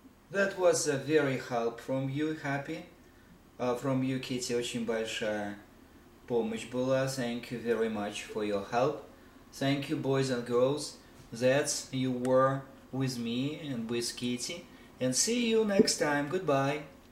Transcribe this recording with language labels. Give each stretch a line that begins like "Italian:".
English: That was a very help from you, Happy. From you,
Russian: Kitty, очень большая помощь была.
English: Thank you very much for your help. Thank you, boys and girls, that you were with me and with Kitty. And see you next time. Goodbye.